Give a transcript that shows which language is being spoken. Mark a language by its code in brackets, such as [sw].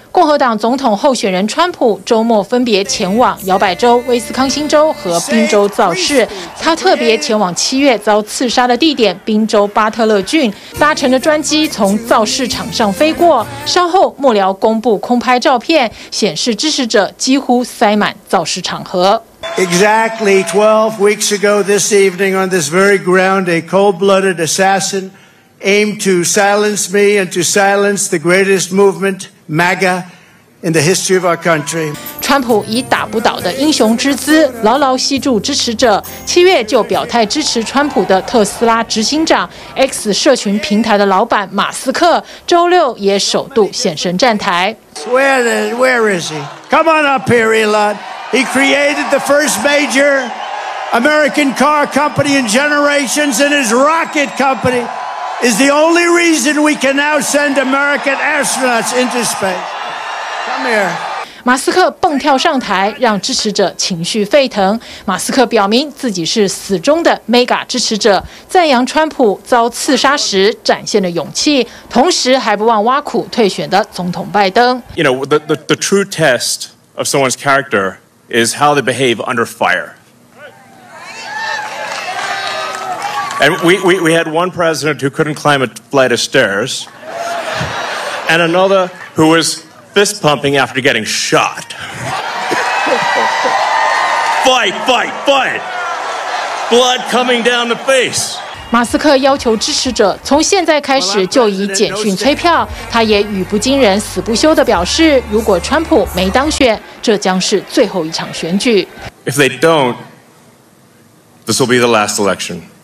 [zh] 共和党总统候选人川普周末分别前往摇摆州、威斯康星州和宾州造势，他特别前往7月遭刺杀的地点宾州巴特勒郡，搭乘的专机从造势场上飞过，稍后幕僚公布空拍照片，显示支持者几乎塞满造势场合。 [en] Exactly 12 weeks ago this evening on this very ground, a cold-blooded assassin aimed to silence me and to silence the greatest movement, MAGA, in the history of our country. [zh] 川普以打不倒的英雄之姿牢牢吸住支持者，七月就表态支持川普的特斯拉执行长、 X 社群平台的老板马斯克周六也首度现身站台。 [en] Where is he? Come on up here, Elon. He created the first major American car company in generations, and his rocket company is the only reason we can now send American astronauts into space. Come here. [zh] 马斯克蹦跳上台，让支持者情绪沸腾。马斯克表明自己是死忠的 MAGA 支持者，赞扬川普遭刺杀时展现的勇气，同时还不忘挖苦退选的总统拜登。 [en] You know, the true test of someone's character. Is how they behave under fire. And we had one president who couldn't climb a flight of stairs, and another who was fist pumping after getting shot. Fight, fight, fight! Blood coming down the face. [zh] 马斯克要求支持者从现在开始就以简讯催票，他也语不惊人死不休地表示，如果川普没当选，这将是最后一场选举。 [en] If they don't, this will be the last election.